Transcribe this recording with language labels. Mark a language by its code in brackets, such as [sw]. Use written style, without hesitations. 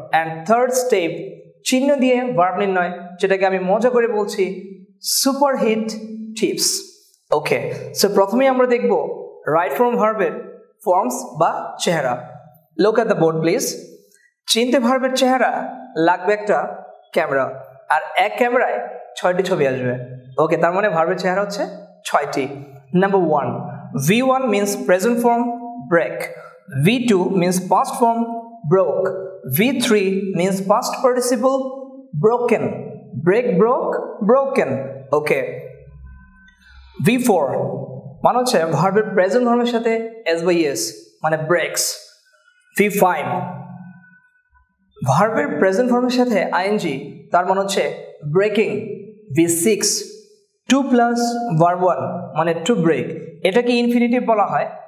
[bn] And third step চিহ্ন দিয়ে verb নির্ণয়, যেটাকে আমি মজা করে বলছি সুপার হিট টিপস। ওকে, সো প্রথমেই আমরা দেখব রাইট ফর্ম ভার্বের ফর্মস বা চেহারা। [en] Look at the board please. [bn] চিনতে ভার্বের চেহারা লাগবে একটা ক্যামেরা, আর এক ক্যামেরায় ছয়টি ছবি আসবে। ওকে, তার মানে ভার্বের চেহারা হচ্ছে ছয়টি। [en] Number one, V1 means present form, break. V2 means past form, broke. V3 means past participle, broken. Break, broke, broken. Okay. [bn] V4, মানে হচ্ছে ভার্বের প্রেজেন্ট ফর্মের সাথে SVS, মানে breaks. V5, ভার্বের প্রেজেন্ট ফর্মের সাথে ing, তার মানে হচ্ছে breaking. V6, 2 প্লাস ভার্ব 1, মানে টু ব্রেক, এটাকে ইনফিনিটিভ বলা হয়।